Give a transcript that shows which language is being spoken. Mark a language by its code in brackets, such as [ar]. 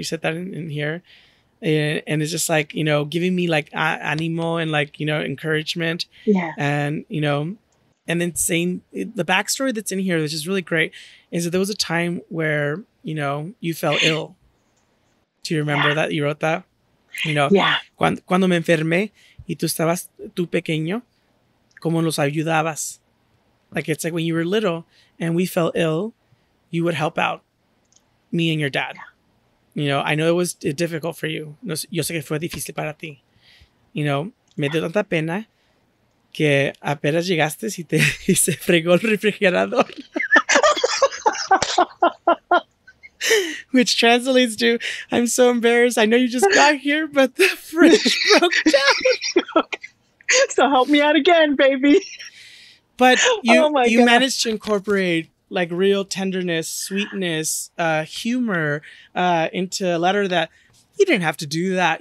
[en] You said that in here. And it's just like, you know, giving me like animo and like, you know, encouragement. Yeah. And, you know, and then saying the backstory that's in here, which is really great, is that there was a time where, you know, you fell ill. Do you remember that? You wrote that? You know, yeah. [es] Cuando me enfermé y tú estabas tú pequeño, ¿cómo los ayudabas? [en] Like, it's like when you were little and we fell ill, you would help out me and your dad. Yeah. You know, I know it was difficult for you. [es] Yo sé que fue difícil para ti. You know, me dio tanta pena que apenas llegaste y te y se fregó el refrigerador. [en] Which translates to, I'm so embarrassed. I know you just got here, but the fridge broke down. So help me out again, baby. But you managed to incorporate like real tenderness, sweetness, humor into a letter that you didn't have to do that.